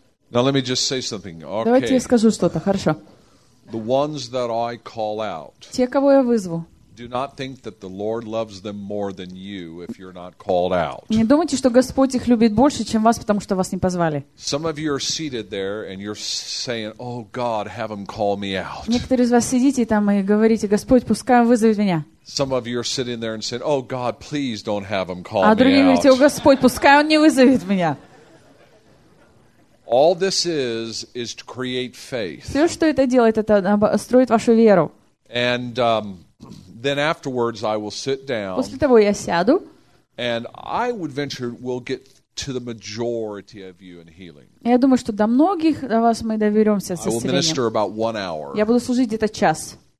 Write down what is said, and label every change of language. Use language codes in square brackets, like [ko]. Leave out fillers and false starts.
[en] Now let me just say something. Okay. [ru] Давайте я скажу что-то, хорошо. [en] The ones that I call out. [ru] Те, кого я вызову. [en] Do not think that the Lord loves them more than you if you're not called out. [ru] Не думайте, что Господь их любит больше, чем вас, потому что вас не позвали. [en] Some of you are seated there and you're saying, "Oh God, have them call me out." [ru] Некоторые из вас сидите там и говорите: "Господь, пускай он вызовет меня." [en] Some of you are sitting there and saying, "Oh God, please don't have them call me out." [ru] А другие говорите: "О Господь, пускай он не вызовет меня." [en] All this is to create faith. [ru] Все, что это делает, это строит вашу веру. [en] And then afterwards, I will sit down. [ru] После того я сяду. [en] And I would venture we'll get to the majority of you in healing. [ru] Я думаю, что до многих вас мы доберемся с исцелением. [en] I will minister about 1 hour. [ru] Я буду служить где-то час.